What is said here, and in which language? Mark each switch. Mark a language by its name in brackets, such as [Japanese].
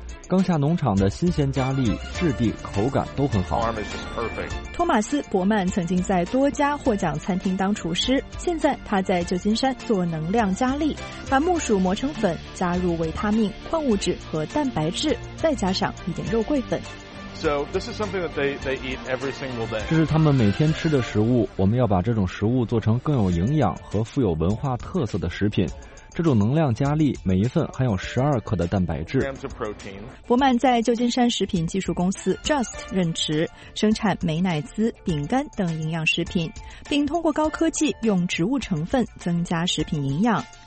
[Chinese] 刚下农场的新鲜加力，质地口感都很好。托马斯·伯曼曾经在多家获奖餐厅当厨师，现在他在旧金山做能量加力，把木薯磨成粉，加入维他命、矿物质和蛋白质，再加上一点肉桂粉。 [English] So this is something that they eat every single day. [Chinese] 这是他们每天吃的食物。我们要把这种食物做成更有营养和富有文化特色的食品。这种能量加力每一份含有12克的蛋白质。伯曼在旧金山食品技术公司 Just 任职，生产美乃滋、饼干等营养食品，并通过高科技用植物成分增加食品营养。